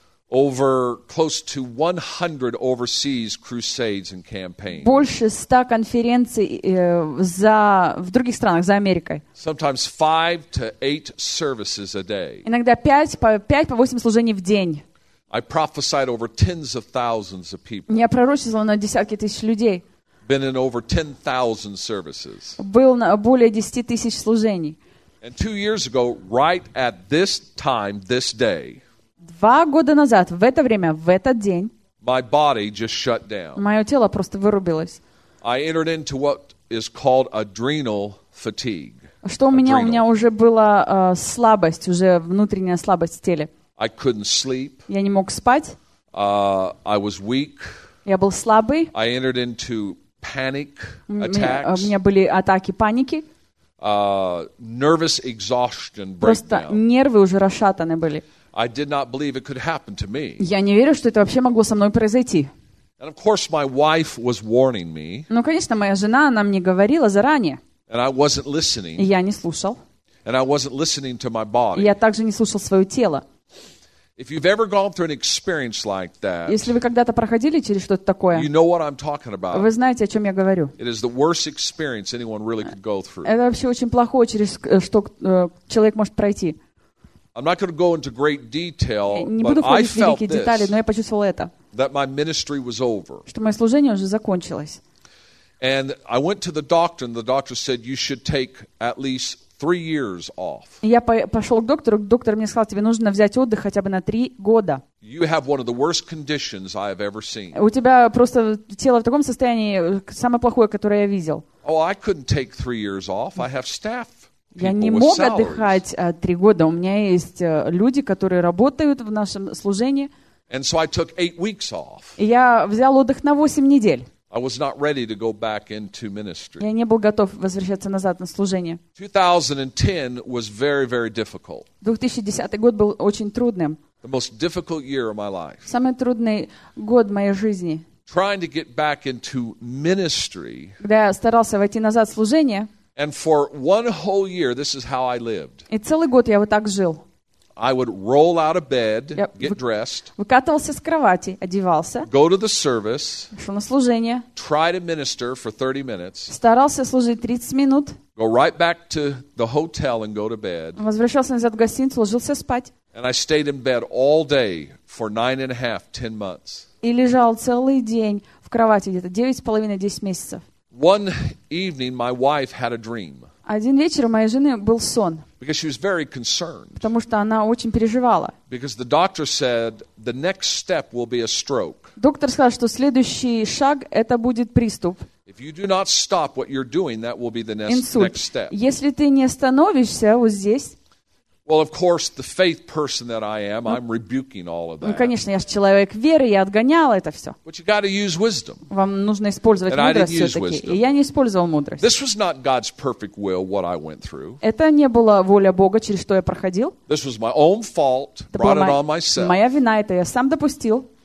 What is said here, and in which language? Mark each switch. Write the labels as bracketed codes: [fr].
[en] Over close to 100 overseas crusades and campaigns. [ru] Больше 100 конференций в других странах, за Америкой. [en] Sometimes 5 to 8 services a day. [ru] Иногда 5 по 8 служений в день. [en] I prophesied over tens of thousands of people. [ru] Я пророчествовал на десятки тысяч людей. [en] Been in over 10,000 services. [ru] Был на более 10 000 служений. [en] And 2 years ago, right at this time, this day, [ru] 2 года назад, в это время, в этот день, [en] my body just shut down. [ru] Мое тело просто вырубилось. [en] I entered into what is called adrenal fatigue. [ru] Что у меня уже была слабость, уже внутренняя слабость в теле. [en] I couldn't sleep. [ru] Я не мог спать. [en] I was weak. [ru] Я был слабый. [en] I entered into panic attacks. [ru] У меня были атаки паники. [en] Nervous exhaustion breakdown. [ru] Просто нервы уже расшатаны были. [en] I did not believe it could happen to me. [ru] Я не верю, что это вообще могло со мной произойти. [en] And of course, my wife was warning me. [ru] Ну, конечно, моя жена, она мне говорила заранее. [en] And I wasn't listening. [ru] Я не слушал. [en] And I wasn't listening to my body. [ru] Я также не слушал свое тело. [en] If you've ever gone through an experience like that, [ru] если вы когда-то проходили через что-то такое, [en] you know what I'm talking about. [ru] Вы знаете, о чем я говорю. [en] It is the worst experience anyone really could go through. [ru] Это вообще очень плохое, через что человек может пройти. [en] I'm not going to go into great detail, but I felt [ru] детали, но я почувствовал это. [en] That my ministry was over. [ru] Что мое служение уже закончилось. [en] And I went to the doctor, and the doctor said you should take at least 3 years off. [ru] Я пошел к доктору. Доктор мне сказал, тебе нужно взять отдых хотя бы на 3 года. [en] You have one of the worst conditions I have ever seen. [ru] У тебя просто тело в таком состоянии, самое плохое, которое я видел. [en] Oh, I couldn't take 3 years off. I have staff. [ru] Я не мог отдыхать 3 года. У меня есть люди, которые работают в нашем служении. [en] And so I took 8 weeks off. [ru] Я взял отдых на 8 недель. [en] I was not ready to go back into ministry. [ru] Я не был готов возвращаться назад на служение. [en] 2010 was very, very difficult. [ru] 2010 год был очень трудным. [en] The most difficult year of my life. [ru] Самый трудный год моей жизни. [en] Trying to get back into ministry. [ru] Когда я старался войти назад в служение. [en] And for one whole year, this is how I lived. [ru] И целый год я вот так жил. [en] I would roll out of bed, get dressed. [ru] Выкатывался с кровати, одевался. [en] Go to the service. [ru] Шел на служение. [en] Try to minister for 30 minutes. [ru] Старался служить 30 минут. [en] Go right back to the hotel and go to bed. [ru] Возвращался назад в гостиницу, ложился спать. [en] And I stayed in bed all day for 9.5-10 months. [ru] И лежал целый день в кровати, где-то 9.5-10 месяцев. [en] One evening, my wife had a dream. [ru] Один вечер у моей жены был сон. [en] Because she was very concerned. [ru] Потому что она очень переживала. [en] Because the doctor said the next step will be a stroke. [ru] Доктор сказал, что следующий шаг это будет приступ. [en] If you do not stop what you're doing, that will be the next step. [ru] Если ты не остановишься вот здесь. [en] Well, of course, the faith person that I am, I'm rebuking all of that. [ru] Ну, конечно, я же человек веры, я отгонял это все. [en] But you got to use wisdom. [ru] Вам нужно использовать [en] and [ru] мудрость [en] I didn't use [ru] все-таки. [en] Wisdom. [ru] И я не использовал мудрость. [en] This was not God's perfect will, what I went through. [ru] Это не была воля Бога, через что я проходил. [en] This was my own fault, [ru] это [en] brought it on myself. [ru] Моя вина, это я сам допустил.